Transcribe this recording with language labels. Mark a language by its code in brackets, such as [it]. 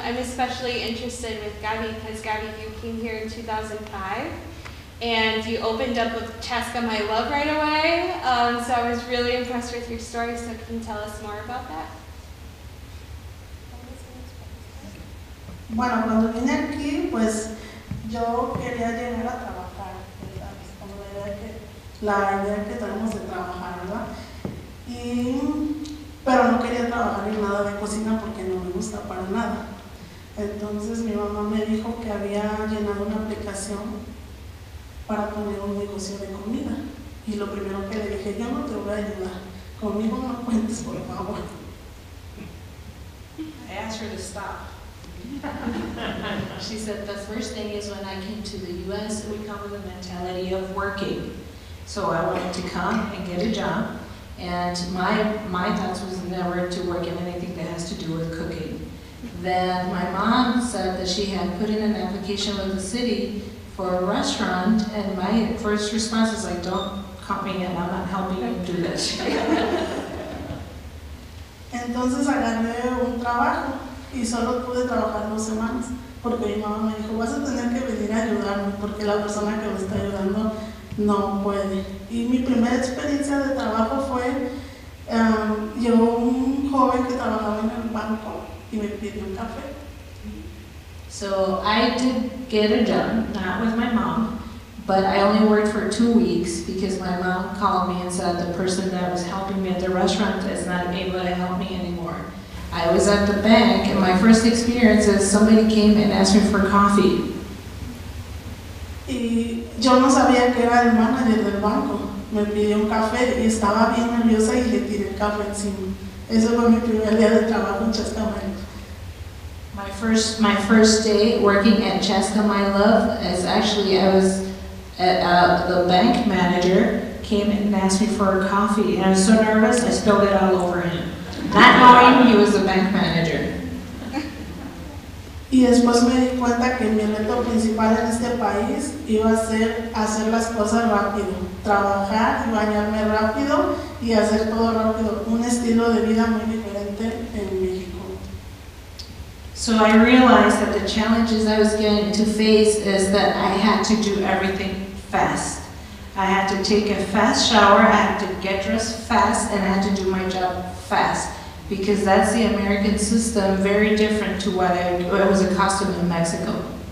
[en] I'm especially interested with Gabby, because Gabby, you came here in 2005, and you opened up with Chaska, My Love right away, so I was really impressed with your story, so can you tell us more about that? [es] Bueno, cuando vine aquí, pues yo quería llegar a trabajar, ¿sabes? Como la idea que tenemos de trabajar, ¿verdad? Y, pero no quería trabajar en nada de cocina porque no me gusta para nada. Entonces mi mamá me dijo que había llenado una aplicación para poner un negocio de comida. Y lo primero que le dije, yo no te voy a ayudar, conmigo no cuentes, por favor. [en] I asked her to stop. She said, the first thing is when I came to the U.S., we come with a mentality of working. So I wanted to come and get a job, and my thoughts was never to work in anything that has to do with cooking. Then my mom said that she had put in an application with the city for a restaurant, and my first response was like, don't call me in, I'm not helping you do this. [es] Entonces agarré un trabajo. Y solo pude trabajar 2 semanas porque mi mamá me dijo, vas a tener que venir a ayudarme porque la persona que me está ayudando no puede. Y mi primera experiencia de trabajo fue, llegó un joven que trabajaba en el banco y me pidió un café. [en] So I did get a job, not with my mom, but I only worked for 2 weeks because my mom called me and said the person that was helping me at the restaurant is not able to help me anymore. I was at the bank, and my first experience is somebody came and asked me for coffee. [es] Y yo no sabía que era el manager del banco. Me pidió un café y estaba bien nerviosa y le tiré el café encima. Eso fue mi primer día de trabajo en Chaska, My Love. [en] My first day working at Chaska, My Love is actually I was at the bank manager came and asked me for a coffee, and I was so nervous I spilled it all over him. That morning, he was the bank manager. [es] Y después me di cuenta que mi reto principal en este país iba a ser hacer las cosas rápido, trabajar y bañarme rápido y hacer todo rápido, un estilo de vida muy diferente en México. [en] So I realized that the challenges I was going to face is that I had to do everything fast. I had to take a fast shower, I had to get dressed fast, and I had to do my job fast. Because that's the American system, very different to what I was accustomed in Mexico.